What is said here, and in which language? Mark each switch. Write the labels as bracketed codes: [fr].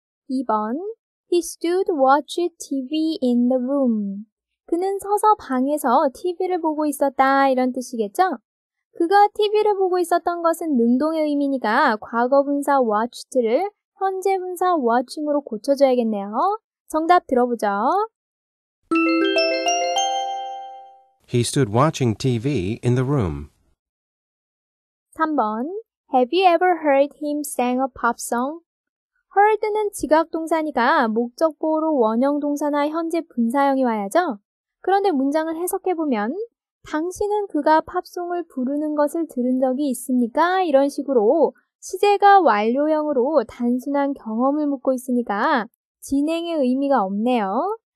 [en] 2번 He stood watching TV in the room. [ko] 그는 서서 방에서 TV를 보고 있었다 이런 뜻이겠죠? 그가 TV를 보고 있었던 것은 능동의 의미니까 과거분사 watched를 현재분사 watching으로 고쳐줘야겠네요. 정답 들어보죠. [en] He stood watching TV in the room. 3번 Have you ever heard him sing a pop song? [ko] Heard는 지각동사니까 목적보호로 원형동사나 현재 분사형이 와야죠. 그런데 문장을 해석해보면 당신은 그가 팝송을 부르는 것을 들은 적이 있습니까? 이런 식으로 시제가 완료형으로 단순한 경험을 묻고 있으니까 진행의 의미가 없네요.